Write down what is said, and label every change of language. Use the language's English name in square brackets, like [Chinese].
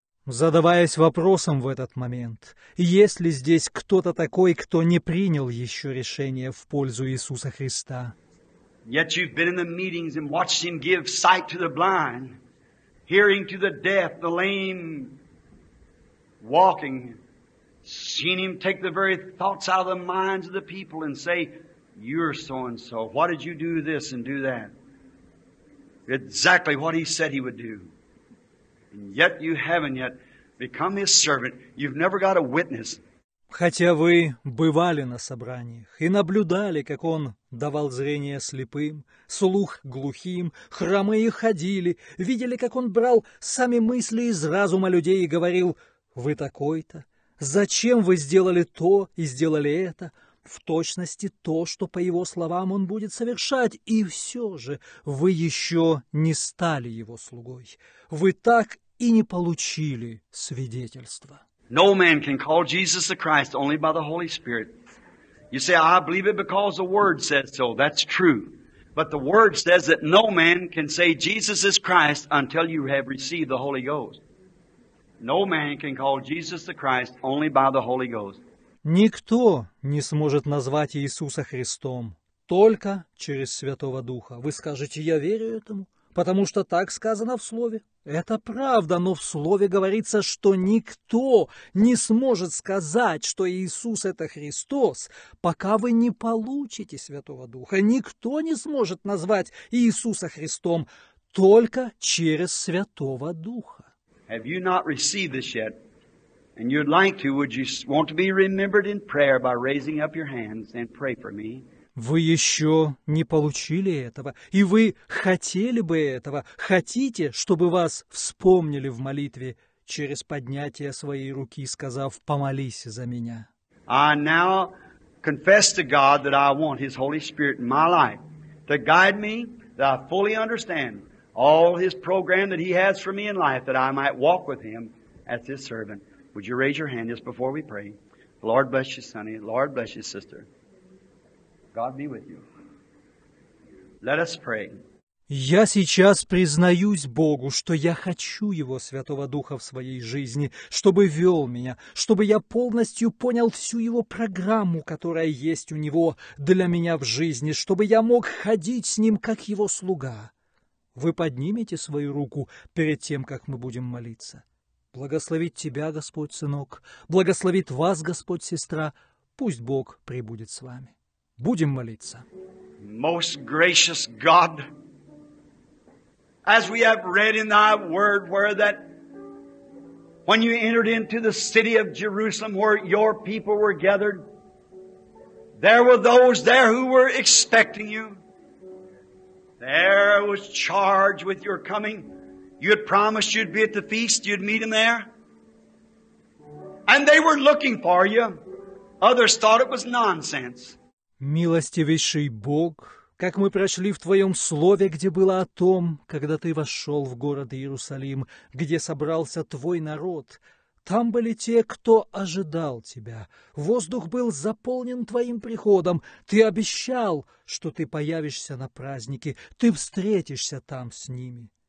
[Russian] Задаваясь вопросом в этот момент, есть ли здесь кто-то такой, кто не принял еще решение в пользу Иисуса Христа? [English] Yet you've been in the meetings and watched him give sight to the blind, hearing to the deaf, the lame, walking, seen him take the very thoughts out of the minds of the people and say, you're so-and-so. Why did you do this and do that? Exactly what he said he would do. And yet you haven't yet become his servant. You've never got a witness. [Russian] Хотя вы бывали на собраниях и наблюдали, как он давал зрение слепым, слух глухим, хромые ходили, видели, как он брал сами мысли из разума людей и говорил, «Вы такой-то? Зачем вы сделали то и сделали это?» В точности то, что, по его словам, он будет совершать, и все же вы еще не стали его слугой. Вы так и не получили свидетельства. [English] No man can call Jesus the Christ only by the Holy Spirit. You say, I believe it because the Word says so. That's true. But the Word says that no man can say Jesus is Christ until you have received the Holy Ghost. No man can call Jesus the Christ only by the Holy Ghost. [Russian] Никто не сможет назвать Иисуса Христом только через Святого Духа. Вы скажете, я верю этому, потому что так сказано в Слове. Это правда, но в Слове говорится, что никто не сможет сказать, что Иисус – это Христос, пока вы не получите Святого Духа. Никто не сможет назвать Иисуса Христом только через Святого Духа. [English] Have you not received this yet? And you'd like to, would you want to be remembered in prayer by raising up your hands and pray for me? [Russian] Вы еще не получили этого, и вы хотели бы этого, хотите, чтобы вас вспомнили в молитве через поднятие своей руки, сказав, помолись за меня. [English] I now confess to God that I want His Holy Spirit in my life to guide me, that I fully understand all His program that He has for me in life, that I might walk with Him as His servant. Would you raise your hand just before we pray? Lord bless you, Sonny. Lord bless you, sister. God be with you. Let us pray. [Russian] Я сейчас признаюсь Богу, что я хочу Его Святого Духа в своей жизни, чтобы вел меня, чтобы я полностью понял всю Его программу, которая есть у Него для меня в жизни, чтобы я мог ходить с Ним, как Его слуга. Вы поднимете свою руку перед тем, как мы будем молиться. Благословит тебя, Господь, сынок. Благословит вас, Господь, сестра. Пусть Бог пребудет с вами. Будем молиться. [English] Most gracious God, as we have read in Thy Word, where that when You entered into the city of Jerusalem, where Your people were gathered, there were those there who were expecting You. There was charged with Your coming. You had promised You'd be at the feast, You'd meet Him there. And they were looking for You. Others thought it was nonsense. [Russian] Милостивейший Бог, как мы прочли в Твоем Слове, где было о том, когда Ты вошел в город Иерусалим, где собрался Твой народ, там были те, кто ожидал Тебя. Воздух был заполнен Твоим приходом. Ты обещал, что Ты появишься на празднике, Ты встретишься там с ними.